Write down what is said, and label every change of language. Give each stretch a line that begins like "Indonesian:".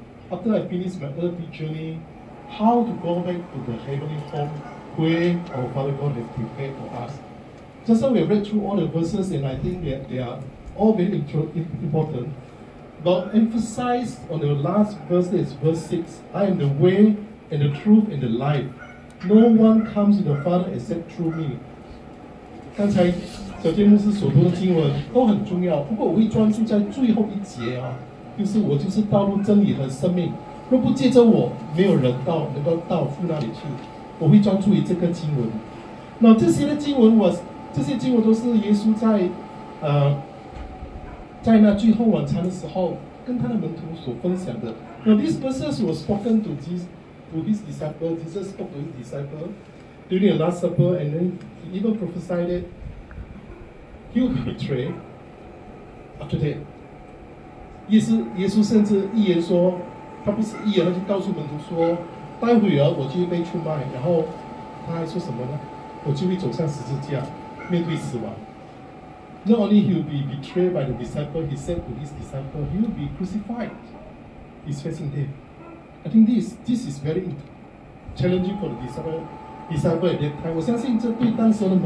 English: After I finish my earthly journey, how to go back to the heavenly home, where our Father God has prepared for us. Just now we read through all the verses and I think that they are all very important. But emphasize on the last verse, that is verse 6. I am the way and the truth and the life. No one comes to the Father except through me.
Chinese: 刚才小建牧师所读的经文都很重要，不过我会专注在最后一节啊，就是我就是道路真理和生命，若不借着我，没有人能够到父那里去。我会专注于这个经文。那这些经文，这些经文都是耶稣在那最后晚餐的时候跟他的门徒所分享的.
English: Now this verses was spoken to his disciple. Jesus spoke to his disciple during the Last Supper, and then he even prophesied that he would be betrayed. After that,
Chinese: 耶稣甚至预言说，他不是预言，他就告诉门徒说。待会儿我就会被出卖，然后他还说什么呢？我就会走上十字架，面对死亡.
English: Not only he will be betrayed by the disciple, he said to his disciple, he will be crucified. He's facing death. I think this is very challenging for the disciple at that time.